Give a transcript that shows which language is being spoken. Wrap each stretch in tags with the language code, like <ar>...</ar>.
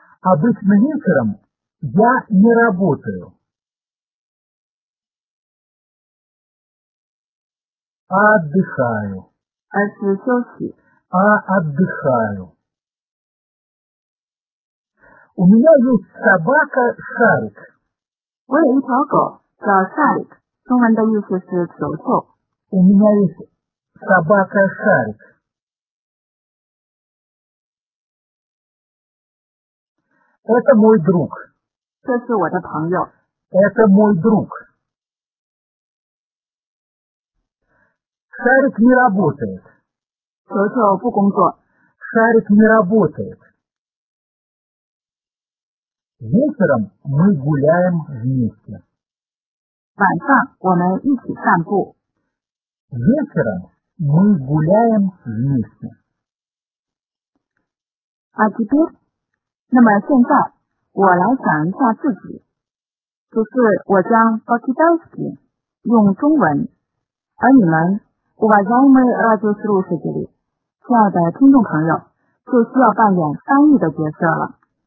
<ru>Обычно вечером я не работаю. Отдыхаю. Отдыхаю. У меня есть собака Шарик.</ru> <zh>我有一条狗叫 Шарик, 中文的意思是球球。</zh> <ru>У меня есть собака Шарик. Это мой друг.</ru> <zh>这是我的朋友。</zh> <ru>Это мой друг. Шарик не работает.</ru> <zh>球球不工作。</zh> <ru>Шарик не работает. Вечером мы гуляем вместе.</ru> <zh>晚上我们一起散步。</zh> <ru>Вечером мы гуляем вместе.</ru> <zh>啊，这边。那么现在我来讲一下自己，就是我将 Bakidowski 用中文，而你们</zh> <ru>Уважаемые радиослушатели</ru> <zh>亲爱的听众朋友，就需要扮演翻译的角色了。</zh>